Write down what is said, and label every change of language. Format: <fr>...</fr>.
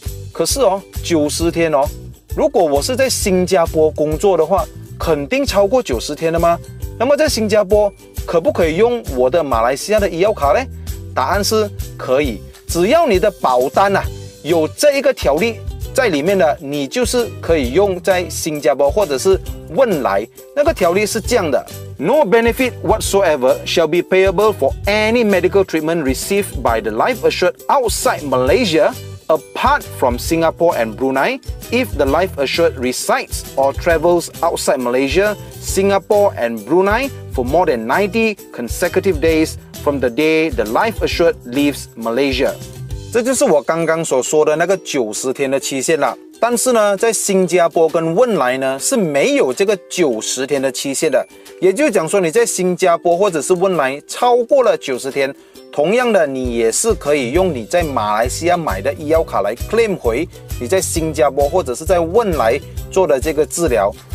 <zh>可是哦，90天哦，如果我是在新加坡工作的话，肯定超过90天的吗？那么在新加坡可不可以用我的马来西亚的医药卡呢？答案是可以，只要你的保单啊有这一个条例在里面的，你就是可以用在新加坡或者是汶莱。那个条例是这样的，</zh> <en>No benefit whatsoever shall be payable for any medical treatment received by the life assured outside Malaysia apart from Singapore and Brunei if the life assured resides or travels outside Malaysia, Singapore and Brunei for more than 90 consecutive days from the day the life assured leaves Malaysia。</en> <zh>这就是我刚刚所说的那个90天的期限了。但是呢，在新加坡跟汶莱呢是没有这个90天的期限的，也就是讲说你在新加坡或者是汶莱超过了90天，同样的你也是可以用你在马来西亚买的医药卡来 claim 回你在新加坡或者是在汶莱做的这个治疗。</zh>